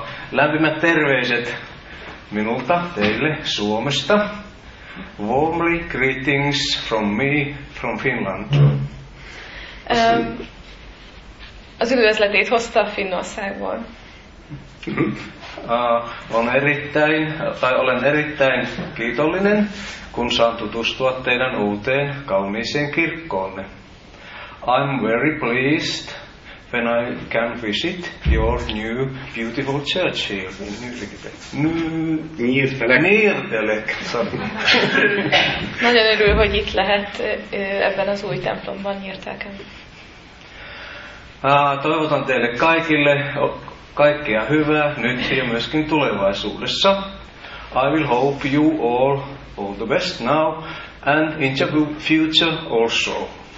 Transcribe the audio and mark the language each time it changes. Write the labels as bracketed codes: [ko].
[fi] Lämpimät terveiset minulta teille Suomesta. [en] Warmly greetings from me from Finland. [hu] Az üdvözletét hozta Finnországból. [fi] On erittäin, olen erittäin kiitollinen, kun saan tutustua teidän uuteen kauniiseen kirkkoonne. [en] I'm very pleased when I can visit your new beautiful church here in Nyírtelek. [hu] Nagyon örül, hogy itt lehet ebben az új templomban, Nyírtelken. [fi] Toivotan teille kaikille kaikkea hyvää nyt ja myöskin tulevaisuudessa. [en] I will hope you all the best now and in the future also.